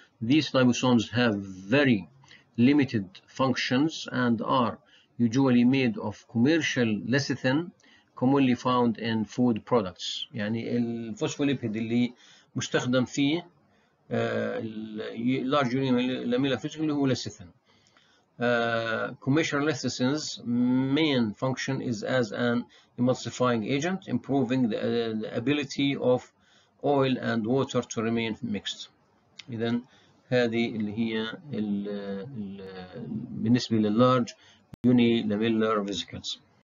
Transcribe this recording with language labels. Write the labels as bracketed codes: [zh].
[en] These liposomes have very limited functions and are usually made of commercial lecithin commonly found in food products. [ar] يعني الفوسفوليبيد اللي مستخدم فيه اللارج لاميلا فيسكل اللي هو لسيثن. [en] Commercial lecithin's main function is as an emulsifying agent improving the ability of oil and water to remain mixed. [ar] اذا هذه اللي هي الـ بالنسبه للارج يوني لاميلر فيسكلز.